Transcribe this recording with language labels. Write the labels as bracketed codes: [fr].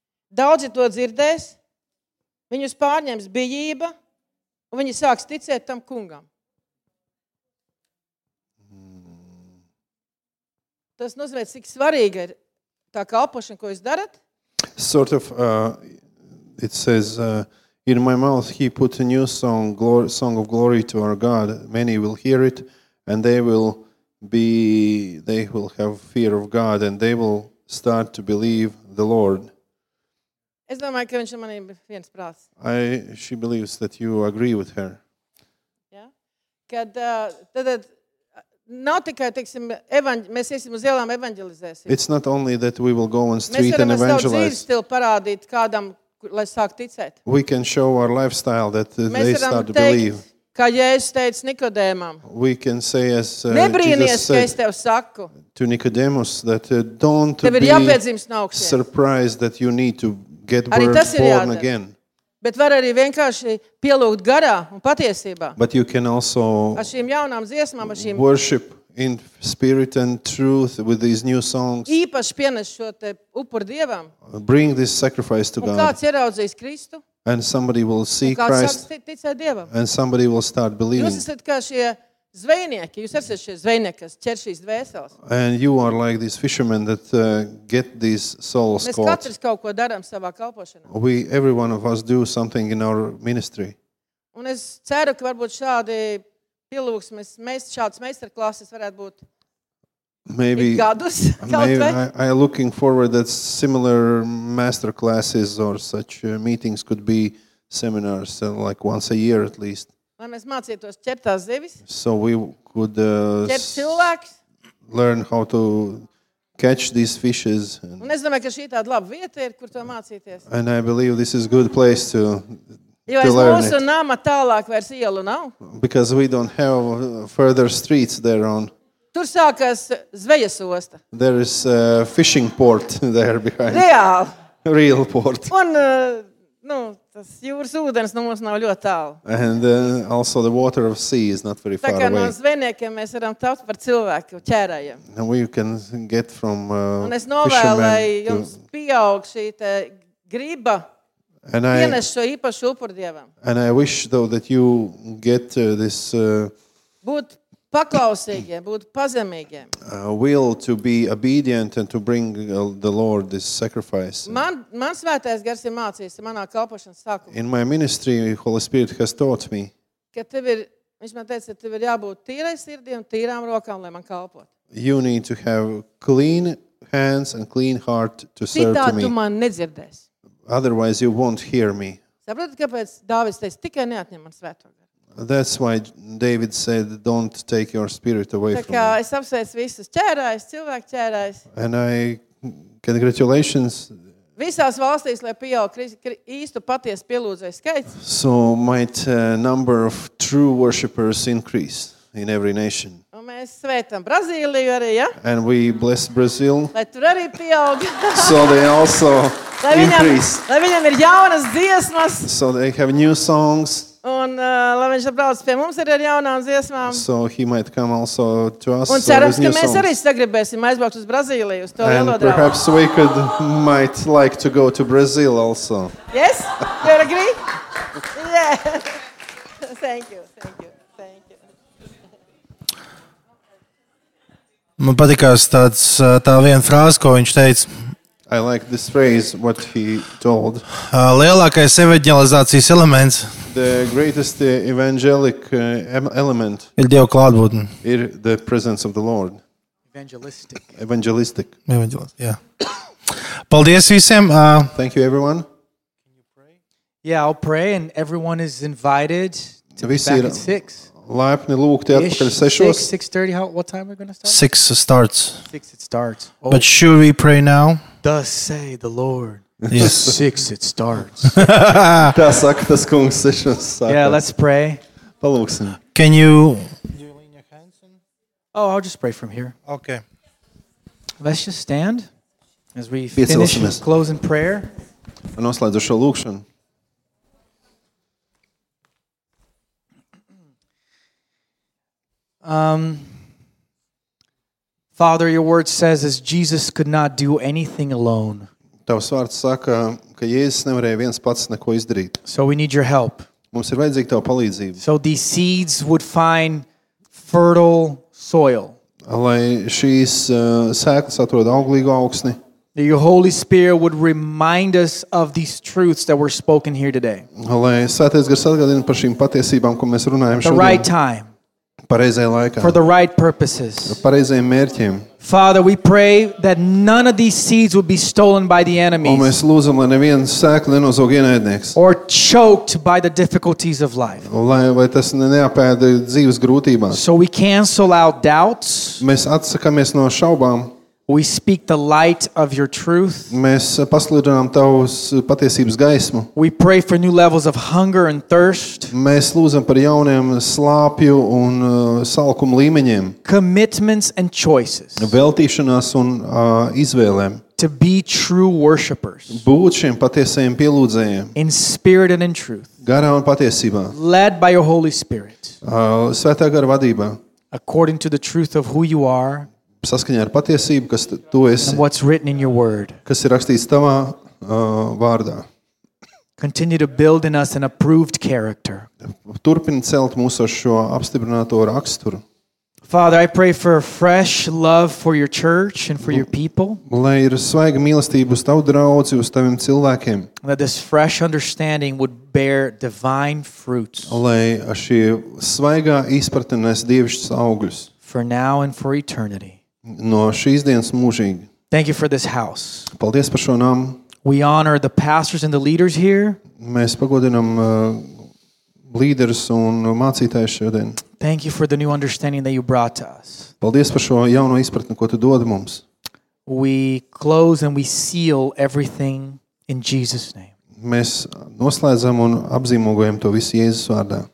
[lv] Daudzi to dzirdēs. Viņus pārņems bijība, un viņi sāks ticēt tam kungam. Tas nozīmē, cik svarīga ir tā kalpošana, ko jūs darat. [en] Sort of, it says, in my mouth he put a new song, glory, song of glory to our God. Many will hear it, and they will have fear of God, and they will start to believe the Lord. [lv] Es domāju, ka viņš ir manī viens prāts. [en] She believes that you agree with her. [lv] Ja? Kad, tad nav tikai, teiksim, mēs iesim uz ielām evanģelizēsim. [en] It's not only that we will go on street and evangelize. [lv] Mēs varam savu dzīves stilu parādīt kādam, lai sāk ticēt. [en] We can show our lifestyle that they start to believe. [lv] Kā Jēzus teica Nikodēmam. [en] We can say as [lv] Nebrīnies, [en] Jesus said, [lv] ka es tev saku. [en] To Nicodemus that don't [lv] tev ir [en] be [lv] jāpiedzīmes no augšies. [en] Surprised that you need to get [lv] arī [en] birth, [lv] tas ir [en] born again. [lv] Bet var arī vienkārši pielūgt garā un patiesībā. [en] But you can also [lv] ar šīm jaunām dziesmām, ar šīm [en] worship in spirit and truth with these new songs. [lv] Īpaši pienes šo te upur Dievam. [en] Bring this sacrifice to [lv] un Kāds ieraudzīs Kristu? [en] And somebody will see Christ. And somebody will start believing. [lv] Jūs esat kā šie zvejnieki, jūs esat šie zvejnieki, kas ķer šīs dvēseles. [en] And you are like these fishermen that get these souls caught. [lv] Mēs katrs kaut ko darām savā kalpošanā. [en] We every one of us do something in our ministry. [lv] Un es ceru, ka varbūt šādi pilūksmes, šādas meistarklases varētu būt. [en] Maybe, [lv] gadus, [en] maybe I am looking forward that similar master classes or such meetings could be seminars like once a year at least. [lv] Lai mēs mācītos ķert tās zivis. [en] So we could [lv] ķert cilvēks. [en] Learn how to catch these fishes. [lv] Un es domāju, ka šī tāda laba vieta ir, kur to mācīties. [en] And I believe this is a good place to [lv] mūsu nama tālāk vairs ielu nav. [en] Because we don't have further streets there on. [lv] Tur sākas zvejas osta. [en] There is a fishing port there behind. [lv] Reāli. [en] Real port. [lv] Un, nu, tas jūras ūdens no mums nav ļoti tālu. [en] And also the water of sea is not very far away. [lv] Tā kā no zvejniekiem mēs varam taut par cilvēku ķērājiem. [en] And we can get from [lv] Un es novēlu, lai jums pieaug šī te griba. Ienes šo īpašu upuru Dievam. [en] And I wish though that you get this [lv] būt paklausīgiem, būt pazemīgiem. [en] Will to be obedient and to bring the Lord this sacrifice. [lv] Man svētais gars ir mācījis manā kalpošanas sākumā. [en] In my ministry Holy Spirit has taught me. [lv] Ka tev ir, viņš man teica, tev ir jābūt tīrai sirdī un tīrām rokām, lai man kalpot. [en] You need to have clean hands and clean heart to serve [lv] Citā Citā tu man nedzirdēsi. [en] Otherwise you won't hear me. [lv] Saprot, kāpēc Dāvids teica, tikai neatņem man svēto garu. [en] That's why David said don't take your spirit away from me. [lv] Es apsveicu visus ķērājus, cilvēku ķērājus. [en] And I congratulations. [lv] Visās valstīs lai pieaug īstu patiesu pielūdzēju skaits. [en] So might number of true worshipers increase in every nation. [lv] Un mēs svētam Brazīliju arī, ja? [en] And we bless Brazil. [lv] Lai tur arī pieaug. [en] So they also increase. [lv] Lai viņiem ir jaunas dziesmas. [en] So they have new songs. [lv] Un lai viņš atbrauc pie mums arī ar jaunām dziesmām. [en] So he might come also to us. [lv] Un cerams, ka mēs arī sagribēsim aizbraukt uz Brazīliju, uz to lielo draugu. [en] And perhaps we could, might like to go to Brazil also. Yes? You agree? Yeah. Thank you, thank you, thank you. [lv] Man patikās tāds, tā viena frāze, ko viņš teica. [en] I like this phrase, what he told. [lv] Lielākais evaņģelizācijas elements. [en] The greatest evangelic element [lv] ir Dieva klātbūtne. [en] Ir the presence of the Lord. Evangelistic. [lv] Evangelistic, jā. Paldies visiem. [en] Thank you, everyone. Can you pray? Yeah, I'll pray and everyone is invited to be back at 6. [lv] Laipni lūgti atpakaļ sešos. [en] 6:30, what time are we going to start? 6 starts. 6 it starts. Oh. But should we pray now? Thus say the Lord. Yes. 6 it starts. [lv] Tā saka tas kungs sešos sākās. [en] Yeah, let's pray. [lv] Palūksim. [en] Can you... Oh, I'll just pray from here. Okay. Let's just stand as we finish closing prayer. [lv] Noslēdzu šo lūkšanu. [en] Father, your word says as Jesus could not do anything alone. [lv] Tavs vārds saka, ka Jēzus nevarēja viens pats neko izdarīt. [en] So we need your help. [lv] Mums ir vajadzīga tava palīdzība. [en] So these seeds would find fertile soil. [lv] Lai šīs sēklas atrod auglīgu augsni. [en] That your Holy Spirit would remind us of these truths that were spoken here today. [lv] Lai Svētais Gars atgādina par šīm patiesībām, ko mēs runājam šodien. [en] The right time. [lv] Pareizajā laikā. [en] For the right purposes. [lv] Pareizajiem mērķiem. [en] Father, we pray that none of these seeds would be stolen by the enemies. [lv] Un mēs lūdzam, lai nevien sēkli nenozog ienaidnieks. [en] Or choked by the difficulties of life. [lv] Lai tas neapēda dzīves grūtībās. [en] So we cancel out doubts. [lv] Mēs atsakamies no šaubām. [en] We speak the light of your truth. [lv] Mēs pasludinām tavus patiesības gaismu. [en] We pray for new levels of hunger and thirst. [lv] Mēs lūdzam par jauniem slāpju un salkumu līmeņiem. [en] Commitments and choices. [lv] Veltīšanās un izvēlēm. [en] To be true worshipers. [lv] Būt šiem patiesajiem pielūdzējiem. [en] In spirit and in truth. [lv] Garā un patiesībā. [en] Led by your Holy Spirit. [lv] Svētā gara vadībā. [en] According to the truth of who you are. [lv] Saskaņā ar patiesību, kas tu esi, [en] what's written in your word. [lv] Kas ir rakstīts tavā vārdā. [en] Continue to build in us an approved character. [lv] Turpin celt mūsu šo apstiprināto raksturu. [en] Father, I pray for a fresh love for your church and for your people. [lv] Lai ir svaiga mīlestība uz tavu draudzi, uz taviem cilvēkiem. [en] That this fresh understanding would bear divine fruits. [lv] Lai šī svaigā izpratne nes dievišķus augļus. [en] For now and for eternity. [lv] No šīs dienas mūžīgi. [en] Thank you for this house. [lv] Paldies par šo namu. [en] We honor the pastors and the leaders here. [lv] Mēs pagodinām līderus un mācītājus šodien. [en] Thank you for the new understanding that you brought to us. [lv] Paldies par šo jauno izpratni, ko tu dod mums. [en] We close and we seal everything in Jesus' name. [lv] Mēs noslēdzam un apzīmogojam to visu Jēzus vārdā.